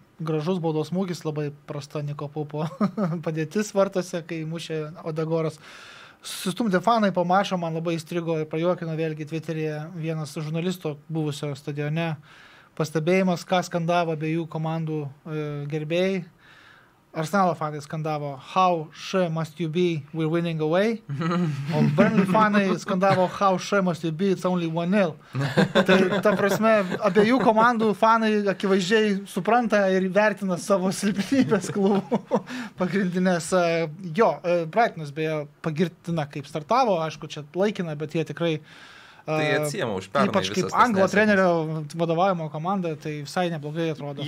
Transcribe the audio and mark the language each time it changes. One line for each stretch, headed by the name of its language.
Lithuanian: Gražus baudos smūgis, labai prasta Niko Pupo padėtis vartose, kai mušė Odegoras. Sustumdė fanai po mačo, man labai įstrigo ir pajuokino vėlgi Twitter'yje vienas žurnalisto buvusio stadione. Pastebėjimas, ką skandavo abiejų komandų gerbėjai. Arsenalo fanai skandavo
English: How sure must you be, we're winning away.
Lithuanian: O Burnley fanai skandavo
English: How sure must you be, it's only 1-0.
Lithuanian: Tai ta prasme, abiejų komandų fanai akivaizdžiai supranta ir vertina savo silpnybės klubų pagrindinės. Jo, Brightonas beje pagirtina kaip startavo, aišku, čia laikina, bet jie tikrai tai atsijama už pernai ypač kaip anglo trenerio vadovavimo komanda, tai visai neblogai atrodo.